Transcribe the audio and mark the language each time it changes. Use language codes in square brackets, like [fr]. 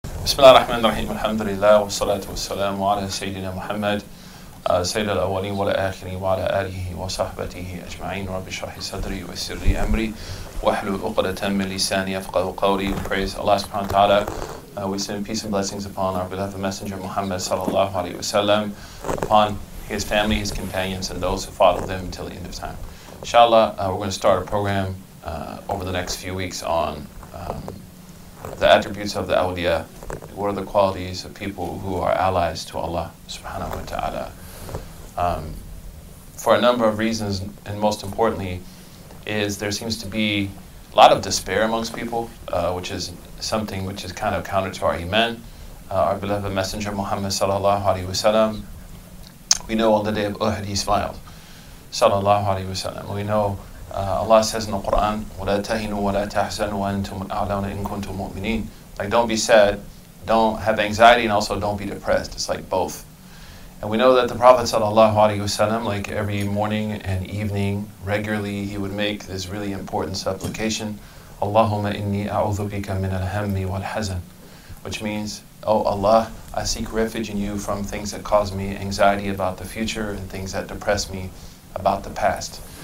[ar] بسم الله الرحمن الرحيم، الحمد لله والصلاة والسلام على سيدنا محمد سيد الأولين والآخرين وعلى آله وصحبته أجمعين. رب اشرح صدري ويسر لي أمري واحلل عقدة من لساني يفقهوا قولي. [en] Praise Allah سبحانه وتعالى. We send peace and blessings upon our beloved messenger Muhammad صلى الله عليه وسلم, upon his family, his companions, and those who followed them until the end of time. Inshallah, we're going to start a program over the next few weeks on the attributes of the awliya. What are the qualities of people who are allies to Allah subhanahu wa ta'ala? For a number of reasons, and most importantly, is there seems to be a lot of despair amongst people, which is something which is kind of counter to our iman. Our beloved messenger Muhammad sallallahu alayhi wa sallam, we know on the day of Uhud he smiled, sallallahu alayhi wa sallam. We know Allah says in the Quran, [ar] وَلَا تَهِنُوا وَلَا تَحْزَنُوا وَأَنْتُمْ أَعْلَوْنَ إِن كُنْتُمْ مُؤْمِنِينَ. [en] Like, don't be sad, don't have anxiety, and also don't be depressed. It's like both. And we know that the Prophet sallallahu alayhi wa sallam, like every morning and evening, regularly he would make this really important supplication, Allahumma inni a'udhu bika min al-hammi wal-hazan, which means, oh Allah, I seek refuge in you from things that cause me anxiety about the future and things that depress me about the past.